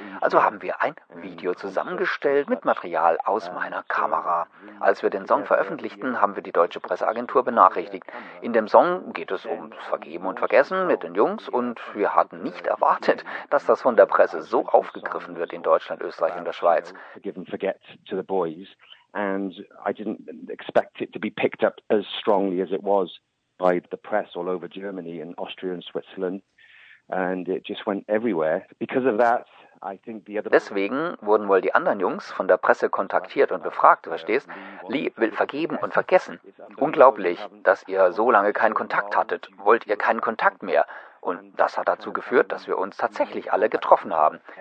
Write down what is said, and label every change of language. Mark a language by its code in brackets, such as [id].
[de] Also haben wir ein Video zusammengestellt mit Material aus meiner Kamera. Als wir den Song veröffentlichten, haben wir die deutsche Presseagentur benachrichtigt. In dem Song geht es um Vergeben und Vergessen mit den Jungs und wir hatten nicht erwartet, dass das von der Presse so aufgegriffen wird in Deutschland, Österreich und der Schweiz. [en] Forgive and forget to the boys, and I didn't expect it to be picked up as strongly as it was by the press all over Germany and Austria and Switzerland, and it just went everywhere. Because of that, I think the other. [de] Deswegen wurden wohl die anderen Jungs von der Presse kontaktiert und befragt, verstehst? Lee will vergeben und vergessen. Unglaublich, dass ihr so lange keinen Kontakt hattet. Wollt ihr keinen Kontakt mehr? Und das hat dazu geführt, dass wir uns tatsächlich alle getroffen haben.